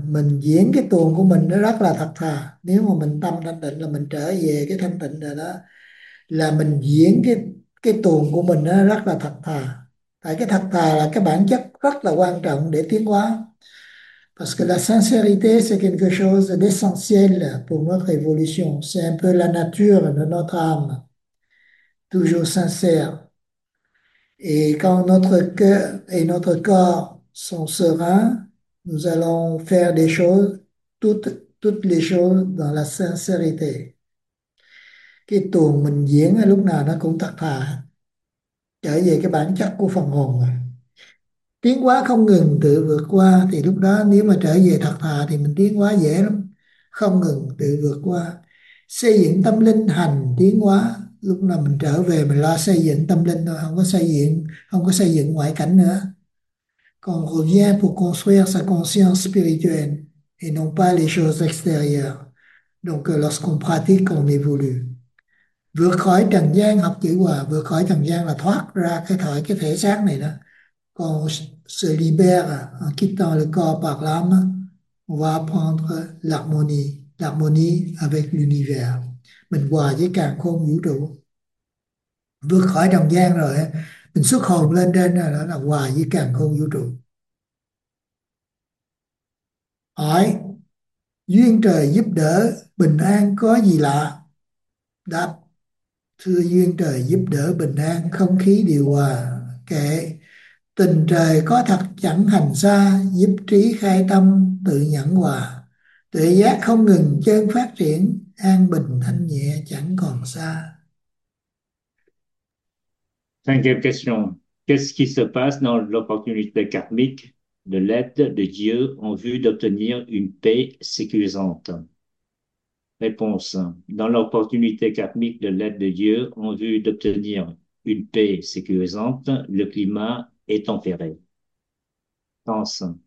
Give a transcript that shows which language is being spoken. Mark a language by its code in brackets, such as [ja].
[vi] Mình diễn cái tuồng của mình nó rất là thật thà. Nếu mà mình tâm thanh tịnh là mình trở về cái thanh tịnh rồi đó, là mình diễn cái tuồng của mình nó rất là thật thà. Tại cái thật thà là cái bản chất rất là quan trọng để tiến hóa. [fr] Parce que la sincérité, c'est quelque chose d'essentiel pour notre évolution. C'est un peu la nature de notre âme. Toujours sincère. Et quand notre cœur et notre corps sont sereins, nous allons faire des choses, toutes les choses dans la sincérité. [vi] Cái tuồng mình diễn là lúc nào nó cũng thật thà. Trở về cái bản chất của phần hồn rồi. Tiến hóa không ngừng tự vượt qua thì lúc đó nếu mà trở về thật thà thì mình tiến hóa dễ lắm. Không ngừng tự vượt qua. Xây dựng tâm linh hành tiến hóa. Lúc nào mình trở về mình lo xây dựng tâm linh thôi, không có xây dựng ngoại cảnh nữa. Còn [fr] revient pour construire sa conscience spirituelle et non pas les choses extérieures. Donc lorsqu'on pratique, on évolue. [vi] Vượt khỏi trần gian, học chữ hòa, vượt khỏi trần gian là thoát ra cái thời cái thể xác này đó. Còn [fr] se libère en quittant le corps par l'âme, on va apprendre l'harmonie, l'harmonie avec l'univers. [vi] Mình hòa với càn khôn vũ trụ, vượt khỏi trần gian rồi mình xuất hồn lên trên rồi, đó là hòa với càn khôn vũ trụ. Hỏi duyên trời giúp đỡ bình an có gì lạ? Đáp: thưa, duyên trời giúp đỡ bình an, không khí điều hòa, kệ tình trời có thật chẳng hành xa, giúp trí khai tâm tự nhẫn hòa, tự giác không ngừng chân phát triển, an bình thanh nhẹ chẳng còn xa. [fr] Cinquième question. Qu'est-ce qui se passe dans l'opportunité karmique de l'aide de Dieu en vue d'obtenir une paix sécurisante? Réponse. Dans l'opportunité karmique de l'aide de Dieu en vue d'obtenir une paix sécurisante, le climat est tempéré. Pense.